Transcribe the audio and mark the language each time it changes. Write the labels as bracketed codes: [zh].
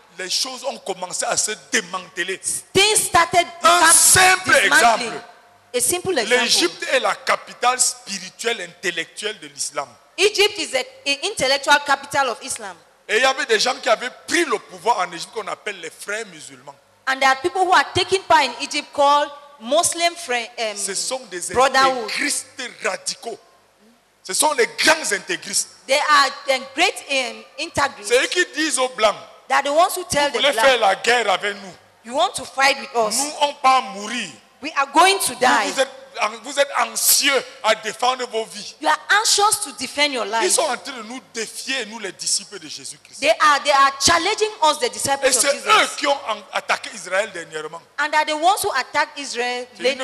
[fr] les choses ont commencé à se démanteler. [en] Things started to come. [fr] Un simple exemple. [en] A simple example. [fr] L'Égypte est la capitale spirituelle intellectuelle de l'islam. [en] Egypt is the intellectual capital of Islam. [fr] Et il y avait des gens qui avaient pris le pouvoir en Égypte qu'on appelle les frères musulmans. [en] And there are people who are taking part in Egypt called Muslim friends. [fr] Ce sont des intégristes radicaux. Ce sont les grands intégristes. [en] They are great integrists. [fr] C'est eux qui disent aux blancs. [en] They are the ones who tell the [fr] blacks. Vous voulez faire la guerre avec nous. [en] You want to fight with us. [fr] Nous on va mourir. [en] We are going to die. [fr] Vous êtes anxieux à défendre vos vies. [en] You are anxious to defend your life. [fr] Ils sont en train de nous défier, nous les disciples de Jésus-Christ. [en] They are challenging us, the disciples of Jesus. [fr] Et c'est eux qui ont attaqué Israël dernièrement. [en] And are the ones who attacked Israel lately.